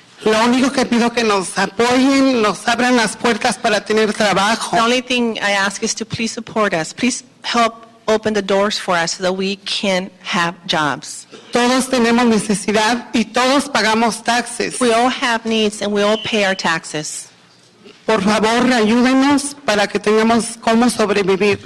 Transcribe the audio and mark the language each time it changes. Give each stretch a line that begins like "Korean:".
Spanish: Lo único que pido que nos apoyen, nos abran las puertas para tener trabajo.
English: The only thing I ask is to please support us. Please help open the doors for us so that we can have jobs.
Spanish: Todos tenemos necesidad y todos pagamos taxes.
English: We all have needs and we all pay our taxes.
Spanish: Por favor, ayúdenos para que tengamos cómo sobrevivir.